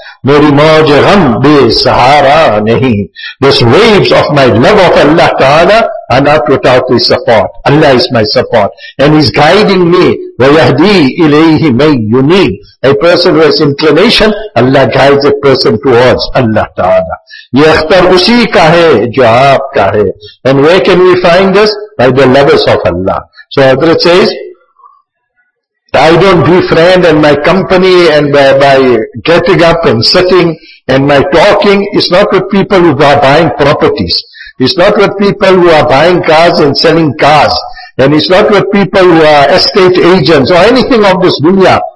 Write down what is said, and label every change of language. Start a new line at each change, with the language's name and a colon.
Urdu: Meri mauj gham be sahara nahi.
English: These waves of my love of Allah Ta'ala are not without His support. Allah is my support. And He's guiding me.
Arabic: وَيَهْدِي إِلَيْهِ مَنْ يُنِيبُ.
English: A person who has inclination, Allah guides a person towards Allah Ta'ala.
Urdu: یہ اختر اسی کا ہے جو آپ کا ہے.
English: And where can we find this? By the lovers of Allah. So Hazrat says, I don't befriend and my company and by getting up and sitting and my talking is not with people who are buying properties. It's not with people who are buying cars and selling cars. And it's not with people who are estate agents or anything of this dunya.